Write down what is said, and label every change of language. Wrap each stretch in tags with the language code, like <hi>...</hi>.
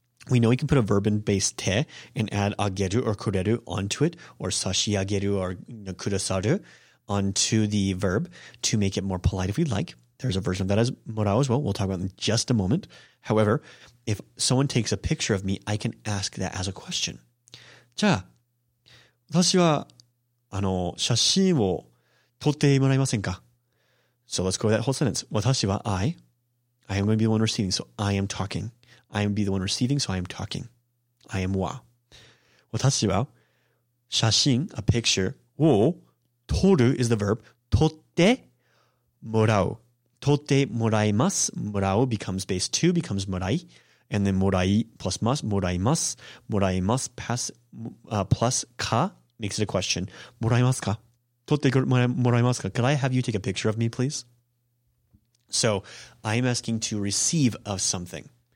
<en>We know we can put a verb in base te and add ageru or kureru onto it, or sashiageru or kudasaru onto the verb to make it more polite if we'd like. There's a version of that as morau as well. We'll talk about it in just a moment. However, if someone takes a picture of me, I can ask that as a question.</en> <ja>じゃあ、私は、あの、写真を撮ってもらえませんか?</ja> <en>So let's go with that whole sentence.</en> <ja>私は、</ja> <en>I am going to be the one receiving, so I am talking. I am be the one receiving, so I am talking. I am wa.</en> <ja>私は写真,</ja> <en>a picture,</en> <ja>を撮る</ja> <en>is the verb,</en> <ja>撮ってもらう。撮ってもらいます。</ja> <en>もらう becomes base 2, becomes もらい。 And then もらい plus ます、もらいます。もらいます pass, plus か makes it a question.</en> <ja>もらいますか?撮ってもらいますか?</ja> <en>Could I have you take a picture of me, please? So I am asking to receive of something.</en>